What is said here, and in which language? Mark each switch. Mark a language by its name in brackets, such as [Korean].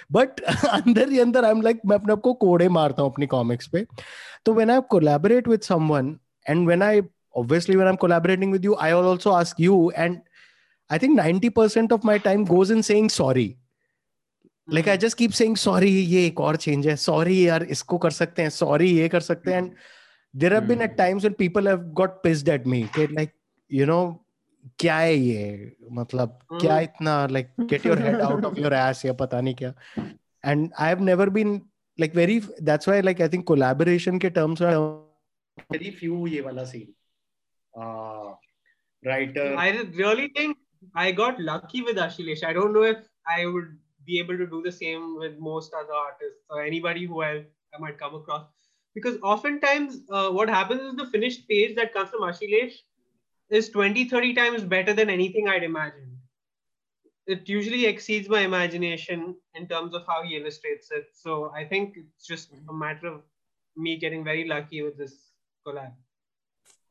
[Hindi] But अंदर ही अंदर [English] I'm like, [Hindi] मैं अपने आप को कोड़े मारता हूँ अपनी कॉमिक्स पे. [English] तो when I collaborate with someone, and when I obviously, when I'm collaborating with you, I also ask you, and I think 90% of my time goes in saying sorry. Like, I just keep saying sorry, [Hindi] ye ek aur change hai, sorry yaar isko kar sakte hain, [English] sorry ye kar sakte hain. And there have been at times when people have got pissed at me, like, you know, [Hindi] क्या है ये, मतलब क्या इतना, [English] like get your head out of your ass [Hindi] या पता नहीं क्या. [English] and I have never been like very, that's why like I think collaboration के terms में very few [Hindi] ये वाला [English] Scene. Writer, I really think I got lucky with Ashilesh. I don't know if I would be able to do the same with most other artists और anybody who I might come across. Because oftentimes, what happens is the finished page that comes from Ashilesh is 20-30 times better than anything I'd imagined. It usually exceeds my imagination in terms of how he illustrates it. So I think it's just a matter of me getting very lucky with this collab.